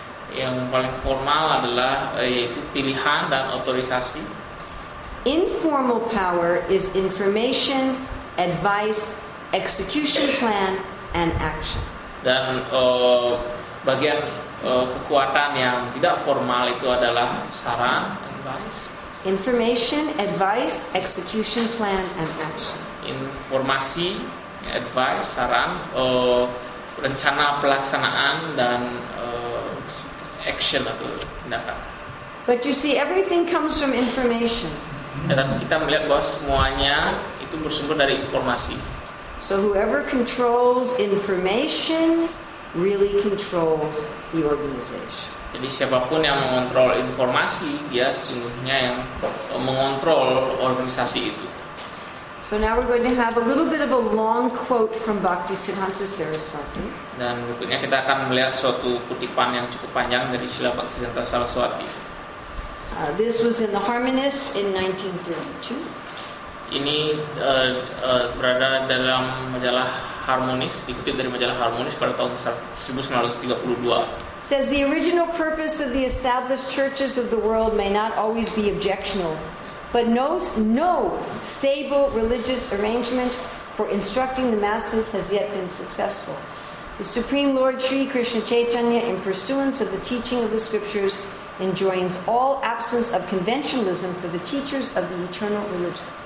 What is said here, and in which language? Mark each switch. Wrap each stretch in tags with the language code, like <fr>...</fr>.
<id>Yang paling formal adalah yaitu pilihan dan otorisasi.</id> <en>Informal power is information, advice, execution plan, and action.</en> <id>Dan bagian kekuatan yang tidak formal itu adalah saran, advice.</id> <en>Information, advice, execution plan, and action.</en> <id>Informasi, advice, saran, rencana pelaksanaan, dan action atau tindakan.</id> <en>But you see, everything comes from information.</en> <id>Dan kita melihat bahwa semuanya itu bersumber dari informasi.</id> <en>So whoever controls information really controls the organization.</en> <id>Jadi siapapun yang mengontrol informasi, dia sesungguhnya yang mengontrol organisasi itu.</id> <en>So now we're going to have a little bit of a long quote from Bhaktisiddhanta Saraswati.</en> <id>Dan berikutnya kita akan melihat suatu kutipan yang cukup panjang dari Srila Bhaktisiddhanta Saraswati.</id> <en>This was in the Harmonist in 1932.</en> <id>Ini berada dalam majalah Harmonis, dikutip dari majalah Harmonis pada tahun 1932.</id> <en>Says the original purpose of the established churches of the world may not always be objectionable, but no stable religious arrangement for instructing the masses has yet been successful. The Supreme Lord Sri Krishna Chaitanya, in pursuance of the teaching of the scriptures, enjoins all absence of conventionalism for the teachers of the eternal religion.</en>